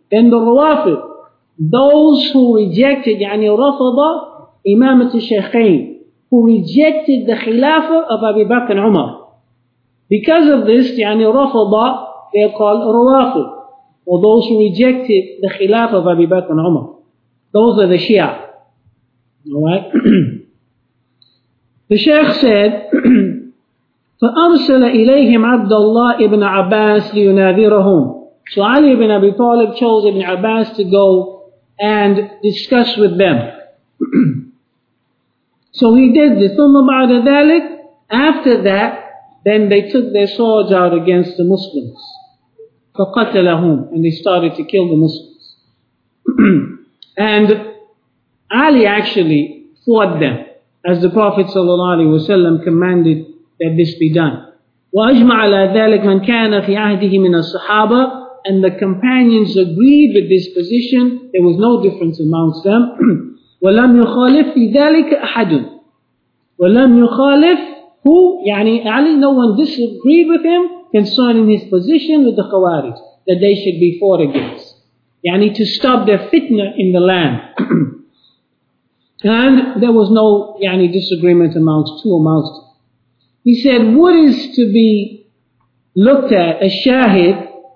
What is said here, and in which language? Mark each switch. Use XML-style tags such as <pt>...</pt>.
<en>Then the Rawafid, those who rejected, yani Rafada, Imamat al-Shaykhain, who rejected the Khilafah of Abu Bakr and Umar. Because of this, yani Rafada, they are called Rawafid, or those who rejected the Khilafah of Abu Bakr and Umar. Those are the Shia. Alright? The Shaykh said,</en> <ar>فَأَرْسَلَ إِلَيْهِمْ عَبْدَ اللَّهِ إِبْنَ عَبَّاسٍ لِيُنَاذِرَهُمْ.</ar> <en>So Ali ibn Abi Talib chose Ibn Abbas to go and discuss with them. So he did this.</en> <ar>ثُمَّ بَعْدَ ذَلِكَ.</ar> <en>After that, then they took their swords out against the Muslims.</en> <ar>فَقَتَلَهُمْ.</ar> <en>And they started to kill the Muslims. And Ali actually fought them, as the Prophet ﷺ commanded that this be done.</en> <ar>وَأَجْمَعَ عَلَى ذَلِكَ مَنْ كَانَ فِي عَهْدِهِ مِنَ الصَّحَابَةِ.</ar> <en>And the companions agreed with this position. There was no difference amongst them.</en> <ar>وَلَمْ يُخَالِفْ فِي ذَلِكَ أَحَدٌ. وَلَمْ يُخَالِفْ, who?</ar> <en>يعني Ali, no one disagreed with him concerning his position with the Khawarij, that they should be fought against. يعني to stop their fitna in the land. And there was no yani disagreement amongst them. He said, what is to be looked at as shahid?</en>